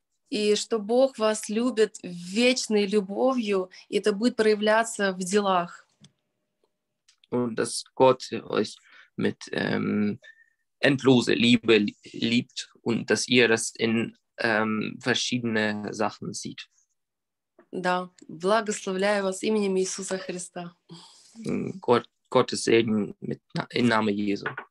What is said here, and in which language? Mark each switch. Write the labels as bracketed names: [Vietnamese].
[Russian] И что Бог вас любит вечной любовью, и это будет проявляться в делах. [German] Und dass Gott euch mit endloser Liebe liebt und dass ihr das in verschiedene Sachen sieht. [Russian] Да, благословляю вас именем Иисуса Христа. [German] Gottes Segen im Namen Jesu.